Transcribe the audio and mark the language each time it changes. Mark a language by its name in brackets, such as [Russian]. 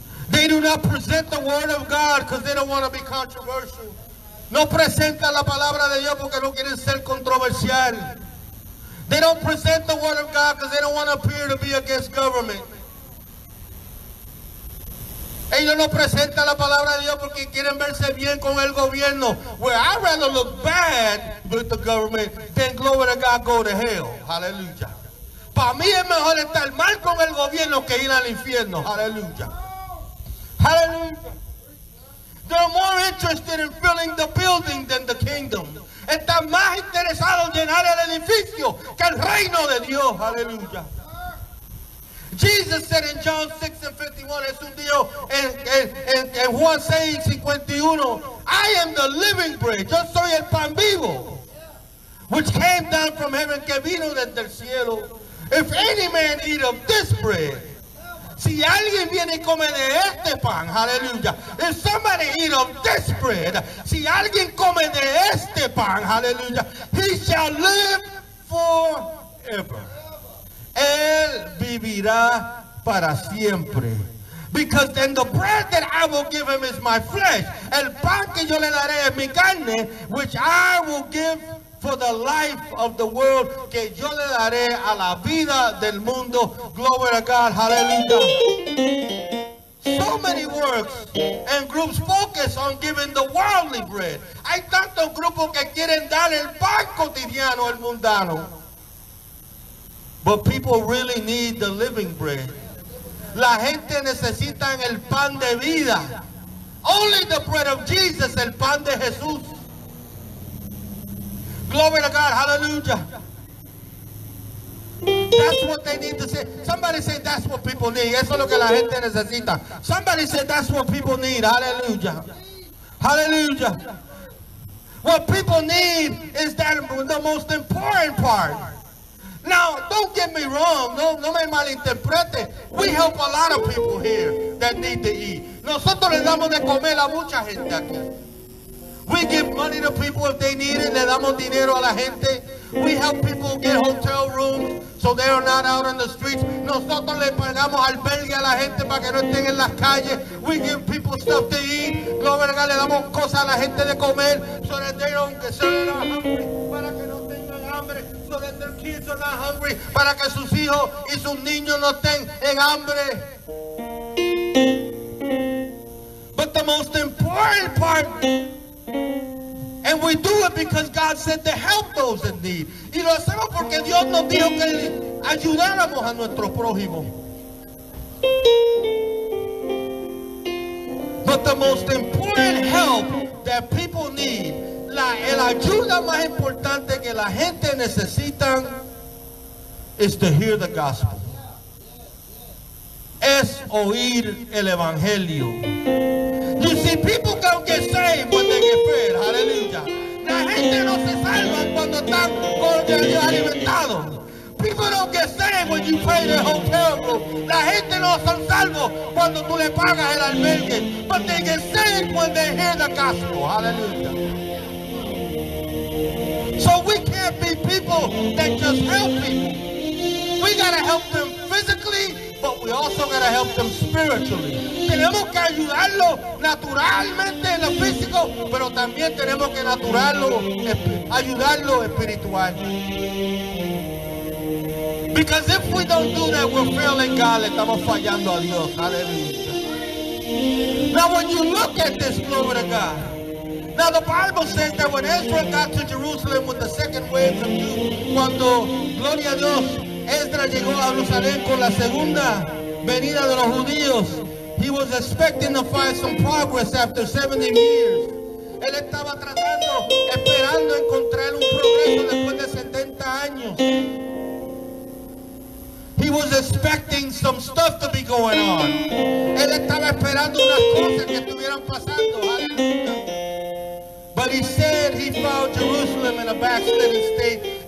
[English] They do not present the word of God because they don't want to be controversial. [Spanish] No presentan la palabra de Dios porque no quieren ser controversial. [English] They don't present the word of God because they don't want to appear to be against government. [Spanish] Ellos no presentan la palabra de Dios porque quieren verse bien con el gobierno. [English] Well, I'd rather look bad with the government than glory to God go to hell. Hallelujah. [Spanish] Para mí es mejor estar mal con el gobierno que ir al infierno. [English] Hallelujah. Hallelujah. They're more interested in filling the building than the kingdom. [Spanish] Están más interesados en llenar el edificio que el reino de Dios. [English] Hallelujah. Jesus said in John 6 and 51, [Spanish] Jesús dijo en Juan 6 51, [English] I am the living bread. [Spanish] Yo soy el pan vivo, [English] which came down from heaven, [Spanish] que vino desde el cielo. [English] If any man eat of this bread, [Spanish] Si alguien viene y come de este pan, aleluya. [English] If somebody eat of this bread, [Spanish] si alguien come de este pan, aleluya, [English] he shall live forever. [Spanish] Él vivirá para siempre. [English] Because then the bread that I will give him is my flesh. [Spanish] El pan que yo le daré es mi carne, [English] which I will give for the life of the world, [Spanish] que yo le daré a la vida del mundo. [English] Glory to God, hallelujah. So many works and groups focus on giving the worldly bread. [Spanish] Hay tantos grupos que quieren dar el pan cotidiano, el mundano. [English] But people really need the living bread. [Spanish] La gente necesita el pan de vida. [English] Only the bread of Jesus, [Spanish] el pan de Jesús. [English] Glory to God, hallelujah. That's what they need to say. Somebody say that's what people need. [Spanish] Eso es lo que la gente necesita. [English] Somebody say that's what people need. Hallelujah. Hallelujah. What people need is that the most important part. Now, don't get me wrong. [Spanish] No me malinterprete. [English] We help a lot of people here that need to eat. [Spanish] Nosotros le damos de comer a mucha gente aquí. [English] We give money to people if they need it. [Spanish] Le damos dinero a la gente. [English] We help people get hotel rooms so they are not out in the streets. [Spanish] Nosotros le pagamos albergue a la gente para que no estén en las calles. [English] We give people stuff to eat. Glory to God, [Spanish] le damos cosas a la gente de comer [English] so that they don't get hungry. [Spanish] Para que no tengan hambre. [English] So that their kids are not hungry. [Spanish] Para que sus hijos y sus niños no estén en hambre. [English] But the most important part. And we do it because God said to help those in need. [Spanish] Y lo hacemos porque Dios nos dijo que ayudáramos a nuestro prójimo. [English] But the most important help that people need, [Spanish] el ayuda más importante que la gente necesita, [English] is to hear the gospel. [Spanish] Es oír el evangelio. [English] You see, people don't get saved when they get fed. Hallelujah. [Spanish] La gente no se salva cuando están alimentados. [English] People don't get saved when you pay the hotel room. [Spanish] La gente no son salvos cuando tú le pagas el albergue. [English] But they get saved when they hear the gospel. Hallelujah. So we can't be people that just help people. We gotta help them physically, but we also gotta help them spiritually. [Spanish] Tenemos que ayudarlo naturalmente en lo físico, pero también tenemos que ayudarlo espiritual. [English] Because if we don't do that, we're failing God. [Spanish] Le estamos fallando a Dios. [English] Hallelujah. Now when you look at this, glory to God. Now the Bible says that when Ezra got to Jerusalem with the second wave of Jews, [Spanish] cuando, gloria a Dios, Ezra llegó a Jerusalén con la segunda venida de los judíos, [English] he was expecting to find some progress after 70 years. [Spanish] Él estaba tratando, esperando encontrar un progreso después de 70 años. [English] He was expecting some stuff to be going on. [Spanish] Él estaba esperando unas cosas que estuvieran pasando. [English] But he said he found Jerusalem in a backslidden state.